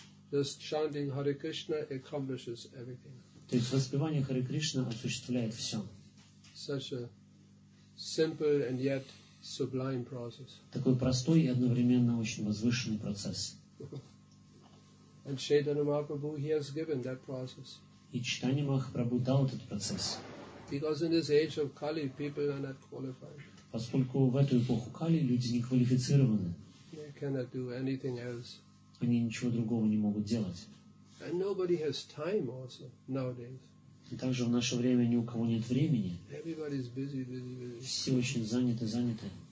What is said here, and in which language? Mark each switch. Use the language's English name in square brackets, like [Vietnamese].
[English] Just chanting Hare Krishna accomplishes everything. [Russian] То есть воспевание Хари Кришна осуществляет все. [English] Such a simple and yet sublime process. [Russian] Такой простой и одновременно очень возвышенный процесс. [English] And Chaitanya Mahaprabhu, he has given that process. [Russian] И Чайтанья Махапрабху дал этот процесс. [English] Because in this age of Kali, people are not qualified. [Russian] Поскольку в эту эпоху Кали люди не квалифицированы. [English] They cannot do anything else. [Russian] Они ничего другого не могут делать. [English] And nobody has time also nowadays. [Russian] И также в наше время ни у кого нет времени. [English] Everybody is busy, busy, busy. [Russian] Все очень заняты, заняты.